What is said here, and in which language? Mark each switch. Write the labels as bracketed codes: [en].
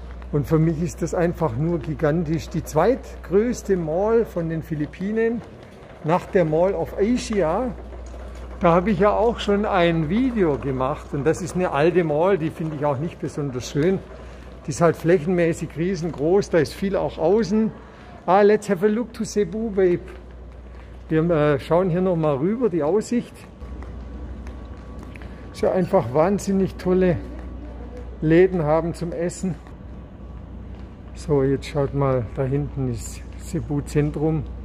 [de] Und für mich ist das einfach nur gigantisch. Die zweitgrößte Mall von den Philippinen nach der Mall of Asia. Da habe ich ja auch schon ein Video gemacht. Und das ist eine alte Mall, die finde ich auch nicht besonders schön. Die ist halt flächenmäßig riesengroß, da ist viel auch außen. [en] Ah, let's have a look to Cebu, babe. [de] Wir schauen hier nochmal rüber, die Aussicht. Ist ja einfach wahnsinnig tolle Läden haben zum Essen. So, jetzt schaut mal, da hinten ist Cebu Zentrum.